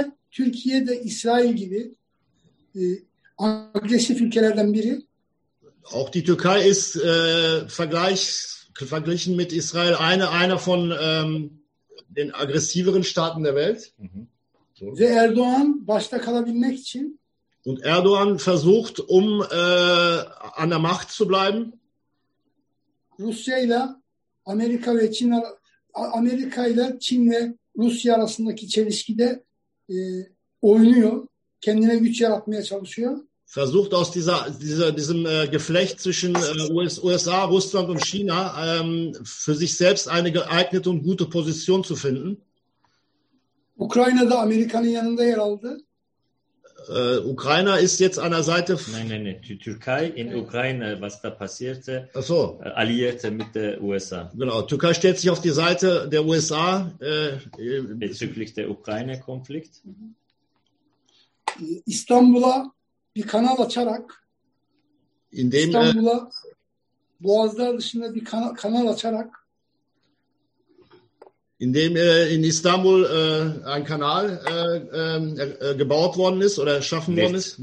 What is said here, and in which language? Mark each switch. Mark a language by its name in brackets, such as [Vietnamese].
[Turkish] Türkiye'de İsrail gibi agresif ülkelerden biri. [German] Auch die Türkei ist verglichen mit Israel einer von den aggressiveren Staaten der Welt. Mhm. [Turkish] So. Ve Erdoğan başta kalabilmek için. [German] Und Erdoğan versucht, um an der Macht zu bleiben. [Turkish] Rusya ile Amerika ve Çin, Amerika ile Çin ve Rusya arasındaki çelişkide oynuyor, kendine güç yaratmaya çalışıyor. [German] Versucht aus diesem Geflecht zwischen USA, Russland und China für sich selbst eine geeignete und gute Position zu finden. [Turkish] Ukrayna'da Amerika'nın yanında yer aldı. [German] Ukraine ist jetzt an der Seite. Nein, die Türkei in Ukraine, was da passierte, ach so. Alliierte mit den USA. Genau, Türkei stellt sich auf die Seite der USA. Bezüglich der Ukraine-Konflikt. [Turkish] Istanbul'a bir kanal açarak, İstanbul'a Boğazlar dışında bir kanal açarak, [German] indem in Istanbul ein Kanal gebaut worden ist oder erschaffen worden ist,